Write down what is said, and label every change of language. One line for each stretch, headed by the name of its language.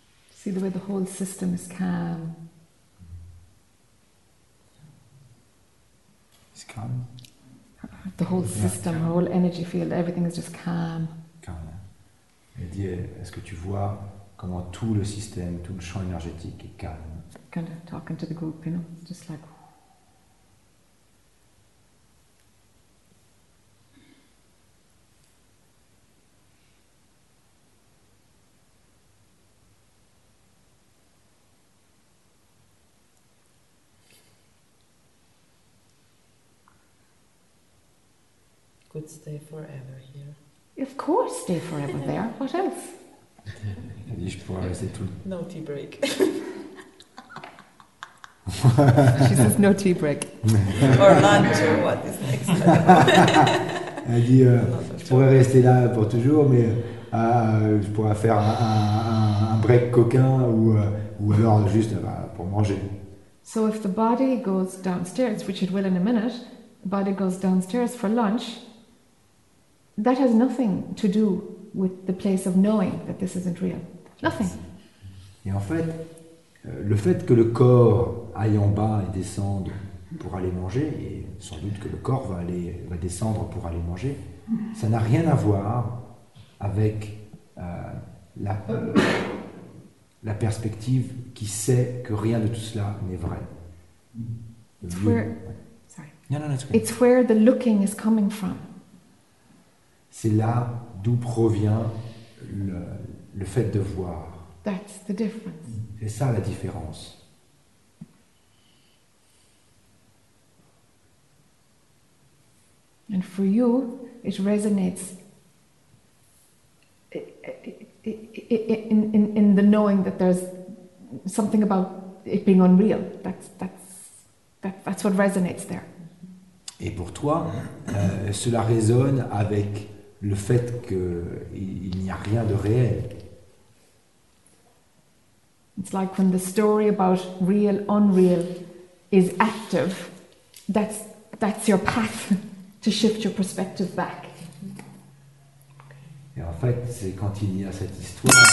English: See the way the whole system is calm. It's calm. The whole system, the whole energy field, everything is just calm. Calm.
French: Et dis, est-ce que tu vois comment tout le système, tout le champ énergétique est calme?
English: Kind of talking to the group, you know, just like. Could stay forever here. Of course, stay forever there. What else?
French: Elle dit, je pourrais rester tout.
English: No tea break. She says no tea break. Or lunch or what is next?
French: Elle dit, je pourrais rester là pour toujours, mais je pourrais faire un break coquin ou alors juste pour manger.
English: So if the body goes downstairs, which it will in a minute, the body goes downstairs for lunch. That has nothing to do with the place of knowing that this isn't real. Nothing.
French: Et en fait, le fait que le corps aille en bas et descende pour aller manger, et sans doute que le corps va descendre pour aller manger, ça n'a rien à voir avec la perspective qui sait que rien de tout cela n'est vrai.
English: It's where the looking is coming from.
French: C'est là d'où provient le fait de voir.
English: That's the difference.
French: C'est ça la différence.
English: And for you, it resonates in the knowing that there's something about it being unreal. That's what resonates there.
French: Et pour toi, cela résonne avec le fait qu'il n'y a rien de réel.
English: It's like when the story about real, unreal is active, that's your path to shift your perspective back.
French: Et en fait, c'est quand il y a cette histoire...